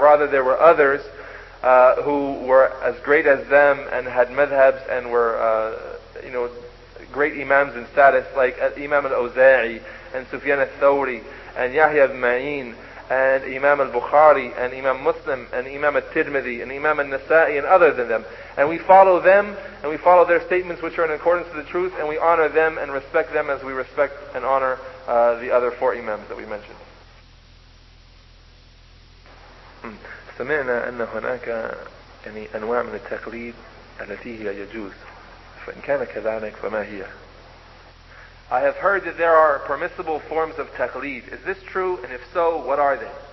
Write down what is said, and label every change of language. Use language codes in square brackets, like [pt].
[en] Rather, there were others who were as great as them and had madhabs and were great Imams in status, like Imam al-Awza'i and Sufyan al-Thawri and Yahya al-Ma'in and Imam al-Bukhari and Imam Muslim and Imam al-Tirmidhi and Imam al-Nasa'i and other than them. And we follow them, and we follow their statements which are in accordance with the truth, and we honor them and respect them as we respect and honor the other four Imams that we mentioned. [ar] سمعنا أن هناك يعني أنواع من التقليد التي هي يجوز، فإن كان كذلك فما هي؟ [en] I have heard that there are permissible forms of taqleed. Is this true? And if so, what are they?